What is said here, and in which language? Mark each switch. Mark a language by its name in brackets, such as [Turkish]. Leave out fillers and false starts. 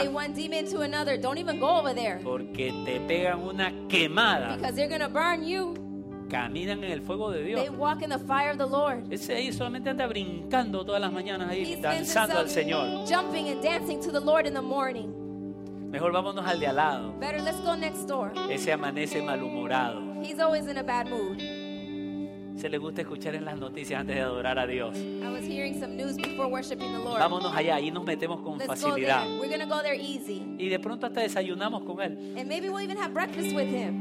[English] Say one demon to another, don't even go over there. [Spanish] Porque te pegan una quemada. [English] Because they're gonna burn you. [Spanish] Caminan en el fuego de Dios. [English] They walk in the fire of the Lord. [Spanish] Ese ahí solamente anda brincando todas las mañanas ahí, danzando al Señor. [English] Jumping and dancing to the Lord in the morning. [Spanish] Mejor vámonos al de al lado. [English] Better let's go next door. [Spanish] Ese amanece malhumorado. [English] He's always in a bad mood. [Spanish] Se le gusta escuchar en las noticias antes de adorar a Dios. [English] I was hearing some news before worshiping the Lord. [Spanish] Vámonos allá, ahí nos metemos con [English] Let's [Spanish] facilidad. [English] Go there. We're gonna go there easy. [Spanish] Y de pronto hasta desayunamos con él. [English] And maybe we'll even have breakfast with him.